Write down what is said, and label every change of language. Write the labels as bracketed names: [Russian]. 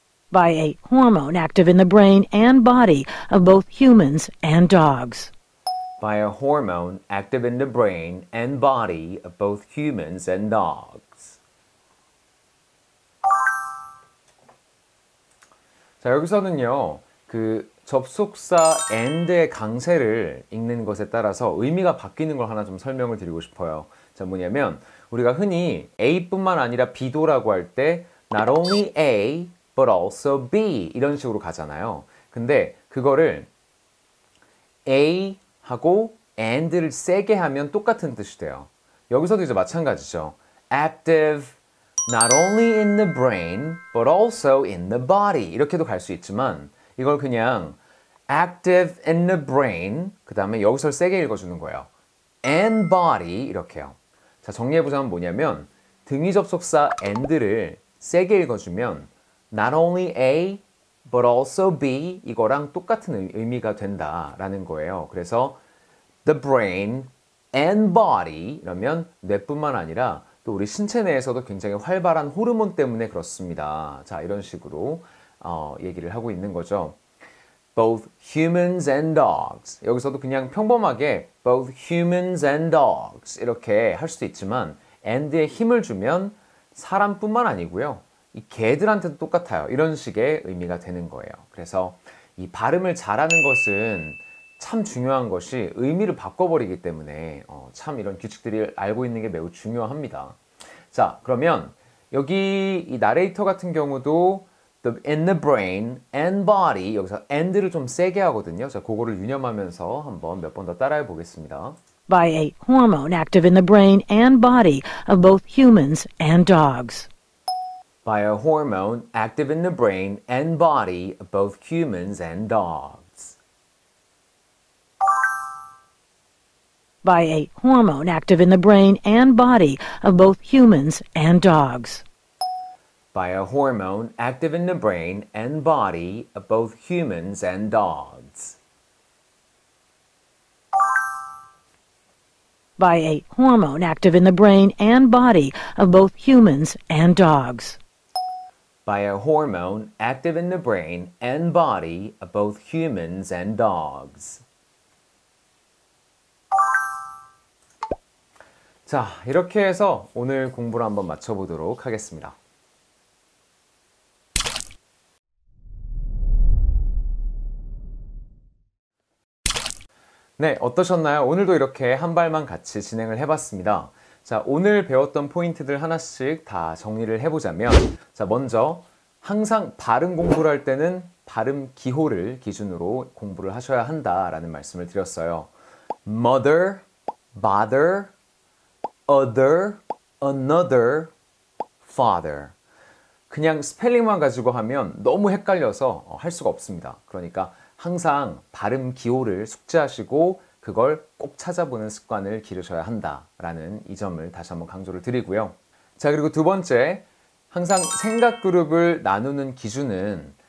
[English] By a hormone active in the brain and body of both humans and dogs. By a hormone active in the brain and body of both humans and dogs. [Korean] 자, 여기서는요, 그 접속사 and의 강세를 읽는 것에 따라서 의미가 바뀌는 걸 하나 좀 설명을 드리고 싶어요. 자, 뭐냐면 우리가 흔히 A뿐만 아니라 B도라고 할 때 [English] not only A, but also B [Korean] 이런 식으로 가잖아요. 근데 그거를 A하고 and를 세게 하면 똑같은 뜻이 돼요. 여기서도 이제 마찬가지죠. [English] Active not only in the brain, but also in the body [Korean] 이렇게도 갈 수 있지만 이걸 그냥 [English] active in the brain, [Korean] 그 다음에 여기서 세게 읽어주는 거예요. [English] And body [Korean] 이렇게요. 자, 정리해보자면 뭐냐면 등위 접속사 and를 세게 읽어주면 [English] Not only A, but also B [Korean] 이거랑 똑같은 의미가 된다라는 거예요. 그래서 [English] the brain and body [Korean] 이러면 뇌뿐만 아니라 또 우리 신체 내에서도 굉장히 활발한 호르몬 때문에 그렇습니다. 자, 이런 식으로 얘기를 하고 있는 거죠. [English] Both humans and dogs. [Korean] 여기서도 그냥 평범하게 [English] both humans and dogs [Korean] 이렇게 할 수도 있지만 and에 힘을 주면 사람뿐만 아니고요. 이 개들한테도 똑같아요. 이런 식의 의미가 되는 거예요. 그래서 이 발음을 잘하는 것은 참 중요한 것이 의미를 바꿔버리기 때문에 참 이런 규칙들을 알고 있는 게 매우 중요합니다. 자, 그러면 여기 이 나레이터 같은 경우도 the, [English] in the brain and body [Korean] 여기서 and를 좀 세게 하거든요. 자, 그거를 유념하면서 한번 몇 번 더 따라해 보겠습니다. [English] By a hormone active in the brain and body of both humans and dogs. By a hormone active in the brain and body of both humans and dogs. By a hormone active in the brain and body of both humans and dogs. By a hormone active in the brain and body of both humans and dogs. By a hormone active in the brain and body of both humans and dogs. By a hormone active in the brain and body of both humans and dogs. [Korean] 자, 이렇게 해서 오늘 공부를 한번 마쳐보도록 하겠습니다. 네, 어떠셨나요? 오늘도 이렇게 한 발만 같이 진행을 해봤습니다. 자, 오늘 배웠던 포인트들 하나씩 다 정리를 해보자면 자, 먼저 항상 발음 공부를 할 때는 발음 기호를 기준으로 공부를 하셔야 한다라는 말씀을 드렸어요. [English] mother, bother, other, another, father. [Korean] 그냥 스펠링만 가지고 하면 너무 헷갈려서 할 수가 없습니다. 그러니까 항상 발음 기호를 숙지하시고 그걸 꼭 찾아보는 습관을 기르셔야 한다라는 이 점을 다시 한번 강조를 드리고요. 자, 그리고 두 번째, 항상 생각 그룹을 나누는 기준은